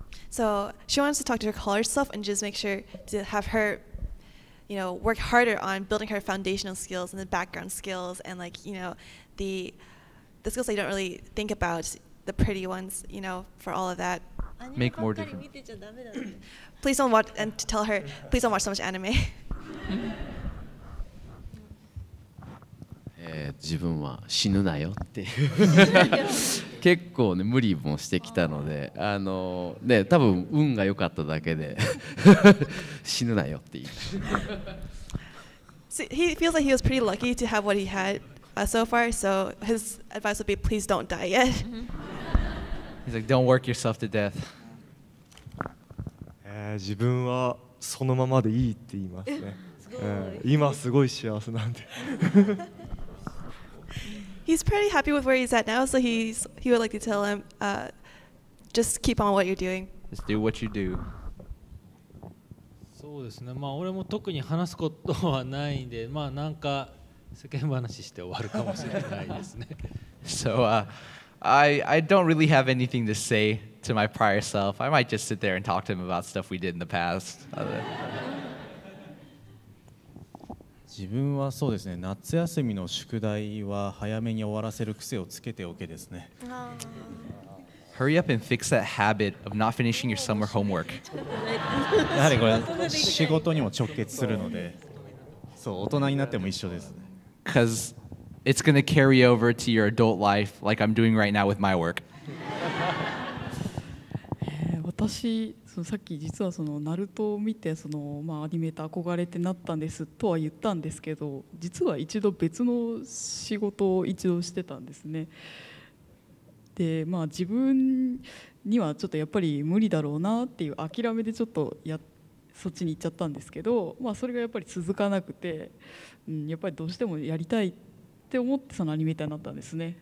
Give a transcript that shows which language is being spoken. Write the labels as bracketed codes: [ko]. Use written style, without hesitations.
[en] So she wants to talk to her college self and just make sure to have her, you know, work harder on building her foundational skills and the background skills and like, you know, the skills they don't really think about. The pretty ones, you know, for all of that. Make more different. Please don't watch, and to tell her, please don't watch so much anime. [ja] 自分は死ぬなよって結構ね無理もしてきたので、あのね多分運が良かっただけで死ぬなよって言う。 [en] He feels like he was pretty lucky to have what he had. So far, so his advice would be, please don't die yet. He's like, don't work yourself to death. [ja] 自分はそのままでいいって言いますね。今すごい幸せなんで。 [en] He's pretty happy with where he's at now, so he would like to tell him, just keep on what you're doing. Just do what you do. [ja] そうですね。まあ俺も特に話すことはないんで、まあなんか世間話して終わるかもしれないですね。 [en] So, I don't really have anything to say to my prior self. I might just sit there and talk to him about stuff we did in the past. [ja] 自分はそうですね、夏休みの宿題は早めに終わらせる癖をつけておけですね。 [en] Hurry up and fix that habit of not finishing your summer homework. [ja] やはりこれ仕事にも直結するので、そう、大人になっても一緒ですね。 [en] Because it's going to carry over to your adult life like I'm doing right now with my work. [ja] 私、そのさっき実はそのナルトを見てその、まあ、アニメーター憧れてなったんですとは言ったんですけど、実は一度別の仕事を一度してたんですね。で、まあ自分にはちょっとやっぱり無理だろうなっていう諦めでちょっとやっそっちに行っちゃったんですけど、まあ、それがやっぱり続かなくて、うん、やっぱりどうしてもやりたいって思ってそのアニメーターになったんですね。